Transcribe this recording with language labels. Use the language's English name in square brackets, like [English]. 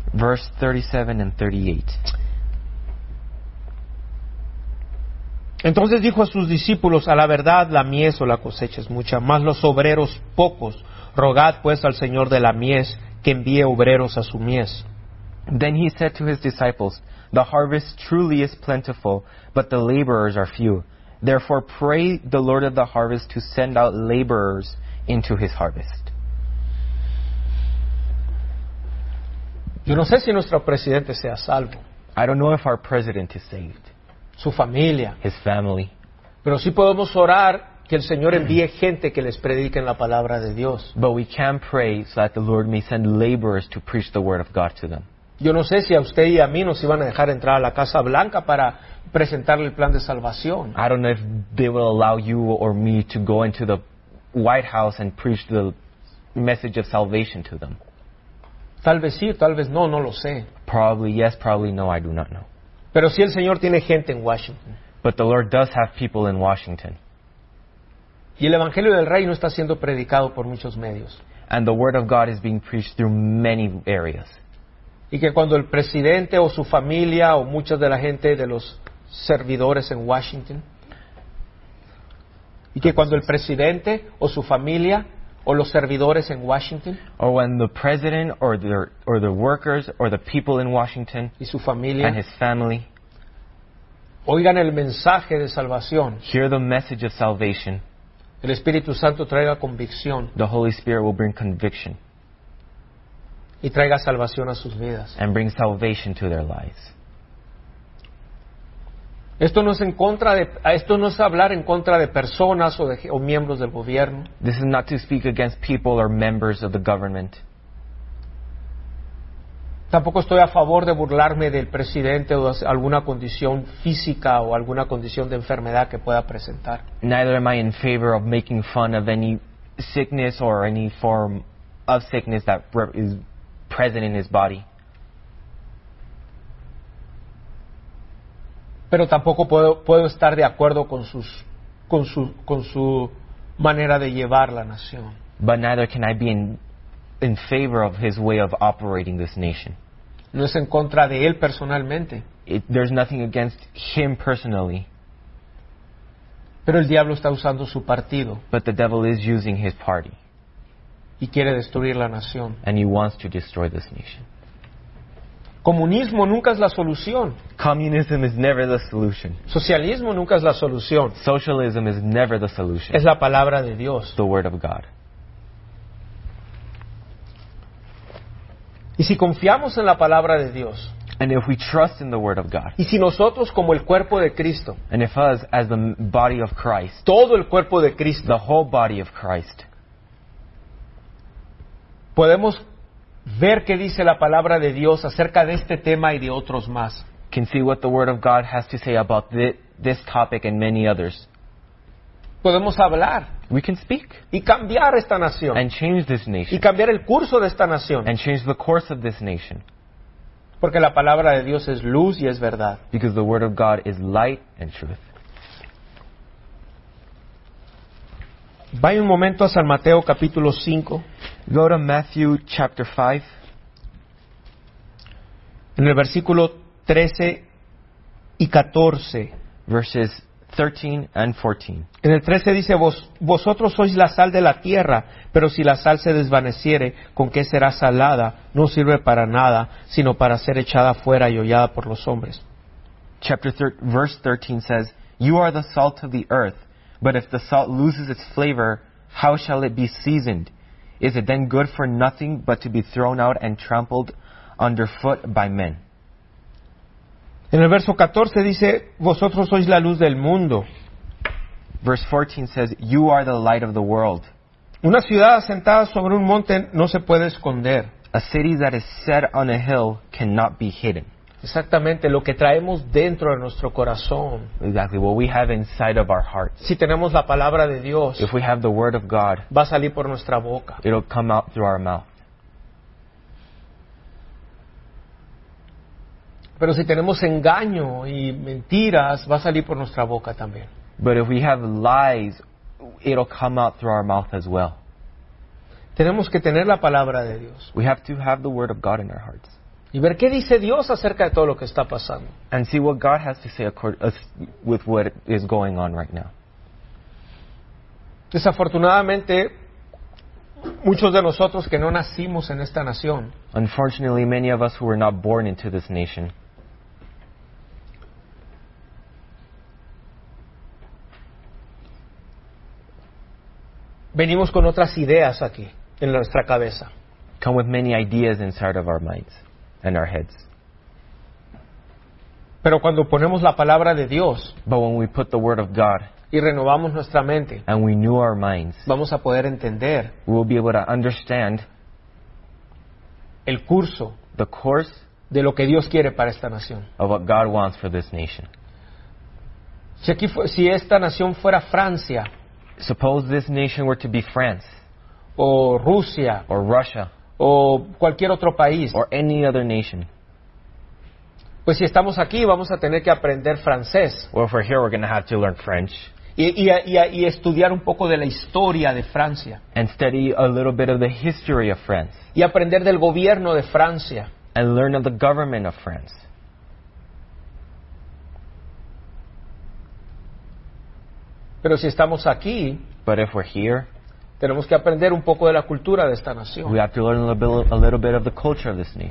[English] Verse 37 and 38. [Spanish] Entonces dijo a sus discípulos, a la verdad la mies o la cosecha es mucha, mas los obreros pocos. Rogad pues al Señor de la mies que envíe obreros a su mies. [English] Then he said to his disciples, the harvest truly is plentiful, but the laborers are few. Therefore, pray the Lord of the harvest to send out laborers into his harvest. [Spanish] Yo no sé si nuestro presidente sea salvo. [English] I don't know if our president is saved. [Spanish] Su familia. [English] His family. [Spanish] Pero sí podemos orar que el Señor envíe gente que les predique la palabra de Dios. [English] But we can pray so that the Lord may send laborers to preach the word of God to them. [Spanish] Yo no sé si a usted y a mí nos iban a dejar entrar a la Casa Blanca para presentarle el plan de salvación. [English] I don't know if they will allow you or me to go into the White House and preach the message of salvation to them. [Spanish] Tal vez sí, tal vez no, no lo sé. [English] Probably yes, probably no, I do not know. [Spanish] Pero si el Señor tiene gente en Washington. [English] But the Lord does have people in Washington. [Spanish] Y el Evangelio del Reino está siendo predicado por muchos medios. [English] And the Word of God is being preached through many areas. [Spanish] Y que cuando el presidente o su familia o muchas de la gente de los servidores en Washington, y que cuando el presidente o su familia o los servidores en Washington, [English] or when the president or the workers or the people in Washington, [Spanish] y su familia, [English] and his family, [Spanish] oigan el mensaje de salvación, [English] hear the message of salvation, [Spanish] el Espíritu Santo traiga convicción, [English] the Holy Spirit will bring conviction, [Spanish] y traiga salvación a sus vidas, [English] and bring salvation to their lives. [Spanish] Esto no es en contra de, esto no es hablar en contra de personas o de o miembros del gobierno. [English] This is not to speak against people or members of the government. [Spanish] Tampoco estoy a favor de burlarme del presidente o de alguna condición física o alguna condición de enfermedad que pueda presentar. [English] Neither am I in favor of making fun of any sickness or any form of sickness that is present in his body. [Spanish] Pero tampoco puedo estar de acuerdo con sus con su manera de llevar la nación. [English] But neither can I be in favor of his way of operating this nation. [Spanish] No es en contra de él personalmente. [English] There's nothing against him personally. [Spanish] Pero el diablo está usando su partido. [English] But the devil is using his party. [Spanish] Y quiere destruir la nación. [English] And he wants to destroy this nation. [Spanish] Comunismo nunca es la solución. [English] Communism is never the solution. [Spanish] Socialismo nunca es la solución. [English] Socialism is never the solution. [Spanish] Es la palabra de Dios. [English] The word of God. [Spanish] Y si confiamos en la palabra de Dios. [English] And if we trust in the word of God. [Spanish] Y si nosotros como el cuerpo de Cristo. [English] And if us as the body of Christ. [Spanish] Todo el cuerpo de Cristo. [English] The whole body of Christ. [Spanish] Podemos ver qué dice la palabra de Dios acerca de este tema y de otros más. [English] Can see what the word of God has to say about this topic and many others. [Spanish] Podemos hablar. [English] We can speak. [Spanish] Y cambiar esta nación. [English] And change this nation. [Spanish] Y cambiar el curso de esta nación. [English] And change the course of this nation. [Spanish] Porque la palabra de Dios es luz y es verdad. [English] Because the word of God is light and truth. [Spanish] Vaya un momento a San Mateo capítulo 5. [English] Go to Matthew chapter 5. [Spanish] En el versículo 13 y 14. [English] Verses 13 and 14. [Spanish] En el 13 dice, vosotros sois la sal de la tierra, pero si la sal se desvaneciere, ¿con qué será salada? No sirve para nada, sino para ser echada fuera y hollada por los hombres. [English] Verse 13 says, you are the salt of the earth, but if the salt loses its flavor, how shall it be seasoned? Is it then good for nothing but to be thrown out and trampled underfoot by men? [Spanish] En el verso 14 dice, vosotros sois la luz del mundo. [English] Verse 14 says, you are the light of the world. [Spanish] Una ciudad asentada sobre un monte no se puede esconder. [English] A city that is set on a hill cannot be hidden. [Spanish] Exactamente, lo que traemos dentro de nuestro corazón. [English] Exactly, what we have inside of our heart. [Spanish] Si tenemos la palabra de Dios, [English] if we have the word of God, [Spanish] va a salir por nuestra boca. [English] It'll come out through our mouth. [Spanish] Pero si tenemos engaño y mentiras, va a salir por nuestra boca también. [English] But if we have lies, it'll come out through our mouth as well. [Spanish] Tenemos que tener la palabra de Dios. [English] We have to have the word of God in our hearts. [Spanish] Y ver qué dice Dios acerca de todo lo que está pasando. [English] And see what God has to say with what is going on right now. [Spanish] Desafortunadamente, muchos de nosotros que no nacimos en esta nación. [English] Unfortunately, many of us who were not born into this nation. [Spanish] venimos con otras ideas aquí en nuestra cabeza. [English] Come with many ideas inside of our minds and our heads. [Spanish] Pero cuando ponemos la palabra de Dios, [English] but when we put the word of God, [Spanish] y renovamos nuestra mente, [English] and we renew our minds, [Spanish] vamos a poder entender, [English] we will be able to understand [Spanish] el curso, [English] the course, [Spanish] de lo que Dios quiere para esta nación, [English] of what God wants for this nation. [Spanish] Si aquí si esta nación fuera Francia, [English] suppose this nation were to be France, [Spanish] o Rusia, [English] or Russia, [Spanish] o cualquier otro país, [English] or any other nation. [Spanish] Pues si estamos aquí, vamos a tener que aprender francés. [English] Well, if we're here, we're going to have to learn French. [Spanish] Y estudiar un poco de la historia de Francia. [English] And study a little bit of the history of France. [Spanish] Y aprender del gobierno de Francia. [English] And learn of the government of France. [Spanish] Pero si estamos aquí, [English] but if we're here, [Spanish] tenemos que aprender un poco de la cultura de esta nación. [English] We have to learn a little bit of the culture of this nation.